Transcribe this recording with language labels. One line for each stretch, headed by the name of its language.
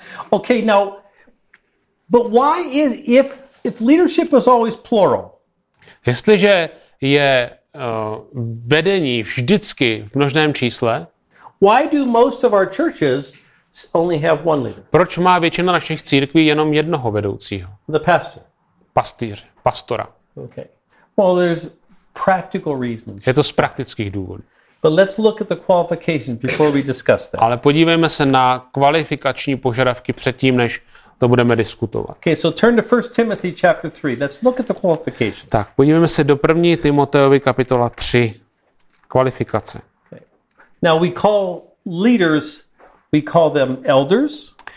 English: Okay, now, but why is, if leadership is always plural?
Czech: Jestliže je vedení vždycky v množném čísle.
English: Why do most of our churches only have one leader?
Czech: Proč má většina našich církví jenom jednoho vedoucího?
English: The pastor.
Czech: Pastora.
English: Okay. Well, there's practical reasons.
Czech: Je to z praktických důvodů.
English: But let's look at the qualifications before we discuss that.
Czech: Ale podívejme se na kvalifikační požadavky předtím, než to budeme diskutovat.
English: Okay, so turn to 1 Timothy chapter 3. Let's look at the qualifications.
Czech: Tak, podívejme se do 1. Timoteovi kapitola 3. Kvalifikace.
English: Okay. Now we call leaders, we call them elders.